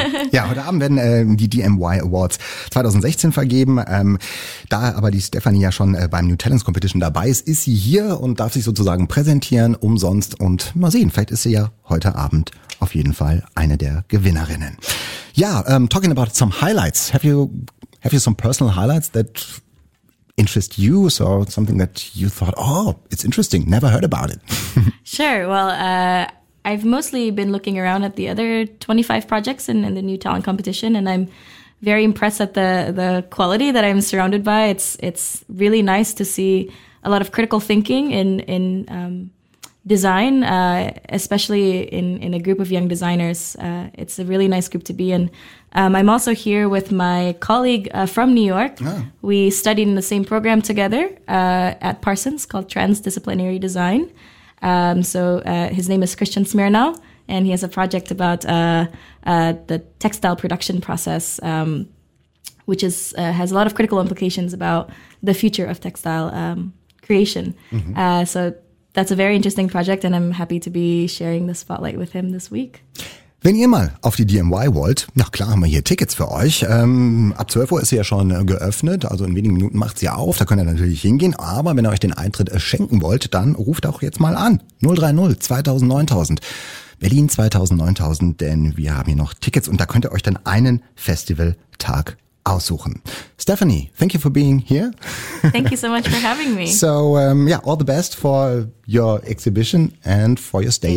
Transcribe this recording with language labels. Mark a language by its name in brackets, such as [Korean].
[German] Ja, heute Abend werden die DMY Awards 2016 vergeben. Da aber die Stephanie ja schon beim New Talents Competition dabei ist, ist sie hier und darf sich sozusagen präsentieren umsonst. Und mal sehen, vielleicht ist sie ja heute Abend auf jeden Fall eine der Gewinnerinnen. Ja, [English] talking about some highlights. Have you some personal highlights that interest you, so something that you thought, oh, it's interesting, never heard about it? Sure, well, I've mostly been looking around at the other 25 projects in the New Talent Competition, and I'm very impressed at the quality that I'm surrounded by. It's really nice to see a lot of critical thinking in design, especially in a group of young designers. It's a really nice group to be in. I'm also here with my colleague from New York. Yeah. We studied in the same program together at Parsons called Transdisciplinary Design. So his name is Christian Smirnow, and he has a project about the textile production process, which is has a lot of critical implications about the future of textile creation. Mm-hmm. So that's a very interesting project, and I'm happy to be sharing the spotlight with him this week. [German] Wenn ihr mal auf die DMY wollt, na klar, haben wir hier Tickets für euch. Ab 12 Uhr ist sie ja schon geöffnet, also in wenigen Minuten macht sie auf, da könnt ihr natürlich hingehen. Aber wenn ihr euch den Eintritt schenken wollt, dann ruft auch jetzt mal an. 030 2000 9000. Berlin 2000 9000, denn wir haben hier noch Tickets und da könnt ihr euch dann einen Festivaltag aussuchen. [English] Stephanie, thank you for being here. Thank you so much for having me. So, all the best for your exhibition and for your stay